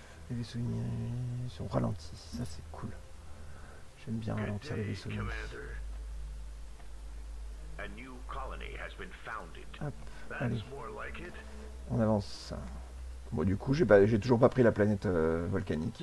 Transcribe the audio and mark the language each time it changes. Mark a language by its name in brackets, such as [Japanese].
[French] Les vaisseaux ennemis sont ralentis. Ça, c'est cool. J'aime bien ralentir les vaisseaux ennemis. [English] A new colony has been founded. [French] Hop, allez. On avance. Bon, du coup, j'ai toujours pas pris la planète volcanique.